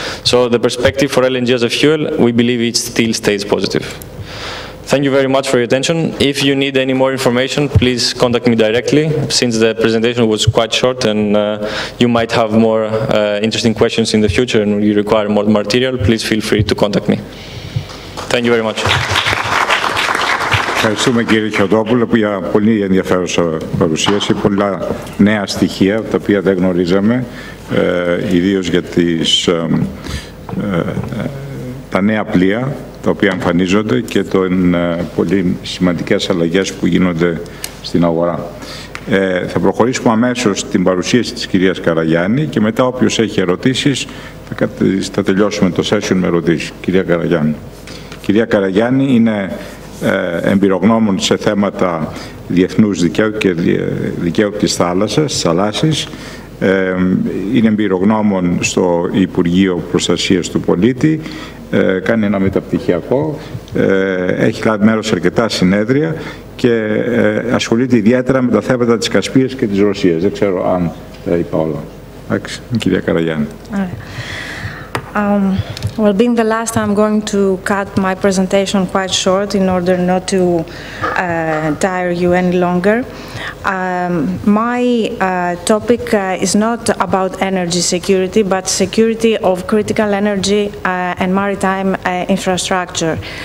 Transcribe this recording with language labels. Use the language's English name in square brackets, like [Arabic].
[English] So the perspective for LNG as a fuel, we believe it still stays positive. Thank you very much for your attention. If you need any more information, please contact me directly, since the presentation was quite short and you might have more interesting questions in the future and you require more material, please feel free to contact me. Thank you very much. [Greek] Ευχαριστούμε κύριε Χιοντόπουλο που για πολύ ενδιαφέρουσα παρουσίαση, πολλά νέα στοιχεία τα οποία δεν γνωρίζαμε, ιδίως για τις, τα νέα πλοία τα οποία εμφανίζονται και των πολύ σημαντικές αλλαγές που γίνονται στην αγορά. Θα προχωρήσουμε αμέσως στην παρουσίαση της κυρίας Καραγιάννη και μετά όποιος έχει ερωτήσεις θα τελειώσουμε το session με ερωτήσεις. Κυρία Καραγιάννη. Κυρία Καραγιάννη είναι εμπειρογνώμων σε θέματα διεθνούς δικαίου και δικαίου της θάλασσας, της θαλάσσης. Είναι εμπειρογνώμων στο Υπουργείο Προστασίας του Πολίτη. Κάνει ένα μεταπτυχιακό. Έχει λάβει μέρος σε αρκετά συνέδρια και ασχολείται ιδιαίτερα με τα θέματα της Κασπίας και της Ρωσίας. Δεν ξέρω αν τα είπα όλα. Εντάξει, κυρία Καραγιάννη. [English] Well, being the last, I'm going to cut my presentation quite short in order not to tire you any longer. My topic is not about energy security, but security of critical energy and maritime infrastructure.